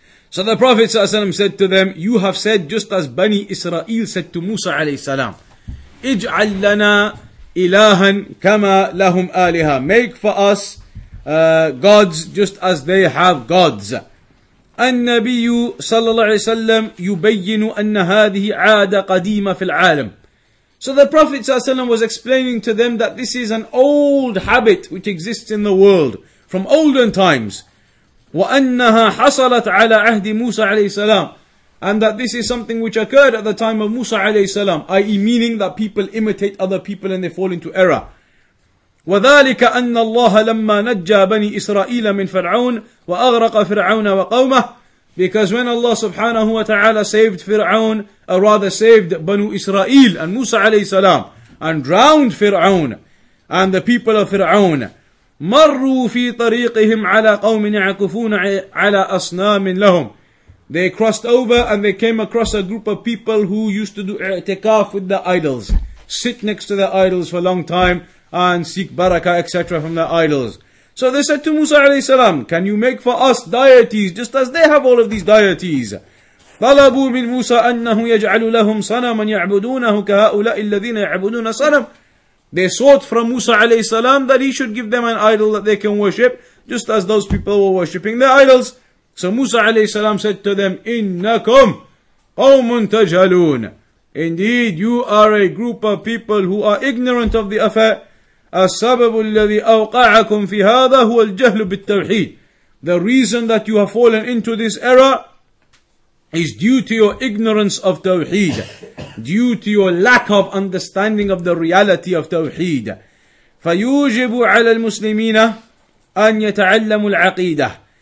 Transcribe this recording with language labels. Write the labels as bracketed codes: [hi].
[en] So the Prophet ﷺ said to them, you have said just as Bani Israel said to Musa alayhi salam, [ar] اجعل لنا إلها كما لهم آلها. [en] Make for us gods just as they have gods. [ar] النبي صلى الله عليه وسلم يبين أن هذه عادة قديمة في العالم. [en] So the Prophet ﷺ was explaining to them that this is an old habit which exists in the world from olden times. [ar] وأنها حصلت على عهد موسى عليه السلام. [en] And that this is something which occurred at the time of Musa عليه السلام, i.e. meaning that people imitate other people and they fall into error. [ar] وذلك أن الله لما نجى بني إسرائيل من فرعون وأغرق فرعون وقومه. [en] Because when Allah سبحانه وتعالى saved فرعون, or rather saved بنو إسرائيل and موسى عليه السلام, and drowned فرعون and the people of فرعون, [ar] مروا في طريقهم على قوم يعكفون على أصنام لهم. [en] They crossed over and they came across a group of people who used to do i'tikaf with the idols, sit next to the idols for a long time and seek barakah etc. from the idols. So they said to Musa alayhi salam, can you make for us deities just as they have all of these deities? [ar] طلبوا من موسى أنه يجعل لهم صنما يعبدونه كهؤلاء الذين يعبدون صنم. [en] They sought from Musa alayhi salam that he should give them an idol that they can worship, just as those people were worshipping their idols. So Musa alayhi salam said to them, [ar] إنكم قوم تجهلون. [en] Indeed, you are a group of people who are ignorant of the affair. [ar] السبب الذي أوقعكم في هذا هو الجهل بالتوحيد. [en] The reason that you have fallen into this error is due to your ignorance of Tawheed, due to your lack of understanding of the reality of Tawheed. [ar] فَيُوجِبُ عَلَى الْمُسْلِمِينَ أَن يَتَعَلَّمُوا الْعَقِيدَةِ.